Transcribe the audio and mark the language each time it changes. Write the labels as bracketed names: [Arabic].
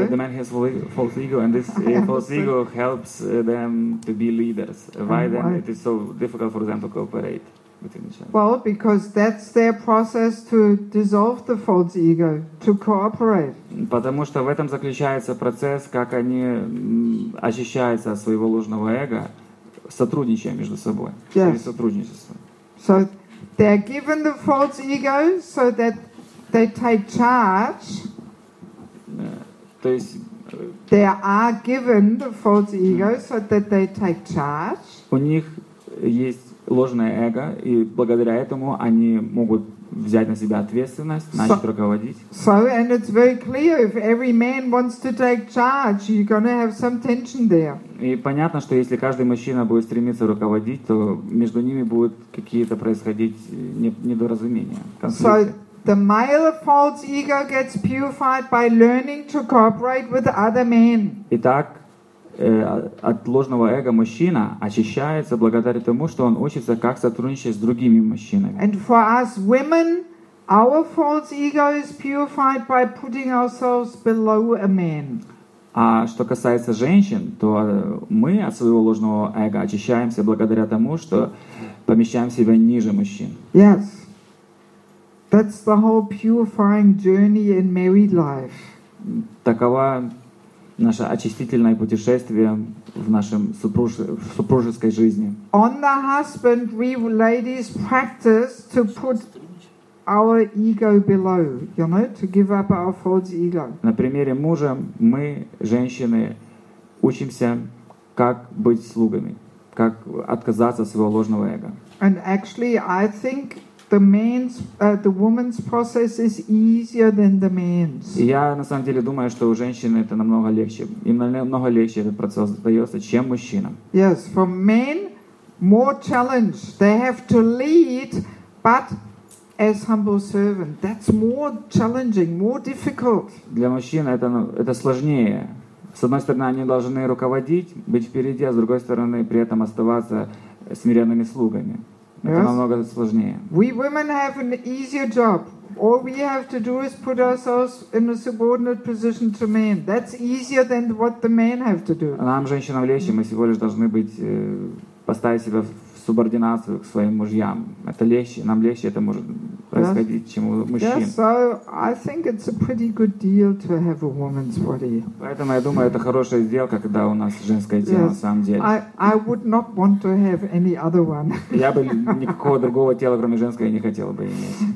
[English] That the man has false ego, and this false ego helps them to be leaders. Why then it is so difficult for them to cooperate between each other? Well, because that's their process to dissolve the false ego, to cooperate. [Russian] Потому что в этом заключается процесс, как они очищаются от своего ложного эго, сотрудничая между собой. [English] Yes. [Russian] Со сотрудничество. [English] So they are given the false ego so that they take charge. [Russian] То есть [English] they are given the false ego so that they take charge. [Russian] У них есть ложное эго, и благодаря этому они могут взять на себя ответственность, начать руководить. [English] So and it's very clear if every man wants to take charge, you're going to have some tension there. [Russian] И понятно, что если каждый мужчина будет стремиться руководить, то между ними будут какие-то происходить недоразумения, конфликты. [English] So, the male false ego gets purified by learning to cooperate with other men. [Russian] Итак, от ложного эго мужчина очищается благодаря тому, что он учится, как сотрудничать с другими мужчинами. [English] And for us women, our false ego is purified by putting ourselves below a man. [Russian] А что касается женщин, то мы от своего ложного эго очищаемся благодаря тому, что помещаем себя ниже мужчин. [English] Yes. That's the whole purifying journey in married life. [Russian] Таково наше очистительное путешествие в нашем супружеской жизни. [English] On the husband, we ladies practice to put our ego below, you know, to give up our false ego. [Russian] На примере мужа мы, женщины, учимся, как быть слугами, как отказаться от своего ложного эго. [English] And actually, I think the man's, the woman's process is easier than the man's. [Russian] Я на самом деле думаю, что у женщины это намного легче. Им намного легче этот процесс дается, чем мужчинам. [English] Yes, for men more challenge. They have to lead, but as humble servant. That's more challenging, more difficult. [Russian] Для мужчин это сложнее. С одной стороны, они должны руководить, быть впереди, а с другой стороны, при этом оставаться смиренными слугами. Это намного сложнее. [English] We women have an easier job. All we have to do is put ourselves in a subordinate position to men. That's easier than what the men have to do. [Russian] Нам, женщинам, легче. Мы всего лишь должны быть поставить себя в субординацию к своим мужьям. Это легче. Нам легче это может происходить, yes. чем у мужчин. [English] Yes, so I think it's a pretty good deal to have a woman's body. [Russian] Поэтому я думаю, это хорошая сделка, когда у нас женское тело на самом деле. [English] I would not want to have any other one. [Russian] Я бы никакого другого тела, кроме женского, не хотел бы иметь.